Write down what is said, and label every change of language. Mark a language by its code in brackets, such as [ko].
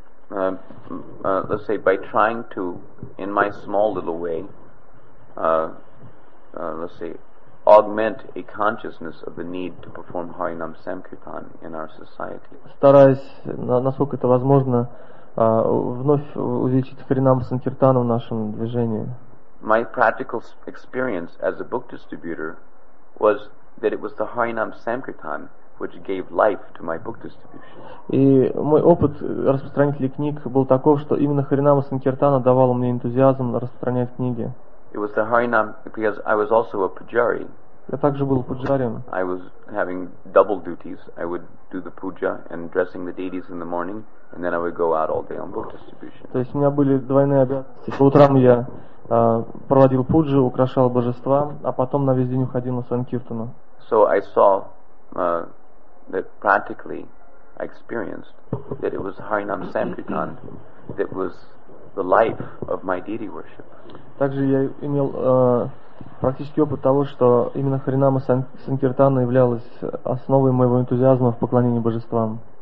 [en] Let's say by trying to, in my small little way, let's say, augment a consciousness of the need to perform Harinam Samkirtan in our society. [ru] Стараясь, насколько это возможно, вновь увеличить Харинам Санкиртану в нашем движении. [en] My practical experience as a book distributor was that it was the Harinam Samkirtan which gave life to my book distribution. [ru] И мой опыт распространителей книг был таков, что именно Харинама Санкиртана давал мне энтузиазм распространять книги. [en] It was the Harinam, because I was also a pujari. [ru] Я также был пуджарием. [en] I was having double duties. I would do the puja and dressing the deities in the morning, and then I would go out all day on book distribution. [ru] То есть у меня были двойные обязанности. По утрам я проводил пуджи, украшал божества, а потом на весь день уходил на санкиртану. [en] So I saw that practically I experienced that it was Harinam Samkirtan that was the life of my deity worship. [ru] Также я имел практический опыт того, что именно Харинама Санкиртана являлась основой моего энтузиазма в поклонении божествам.